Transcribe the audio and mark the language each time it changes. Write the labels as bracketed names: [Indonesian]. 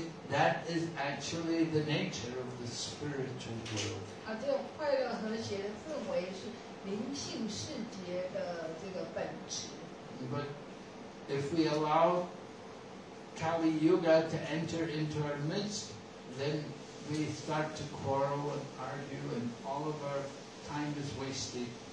[English] That is actually the nature of the spiritual world. [Chinese] 啊，这种快乐和谐的氛围是。灵性世界的这个本质。 [English] But if we allow Kali Yuga to enter into our midst, then we start to quarrel and argue, and all of our time is wasted.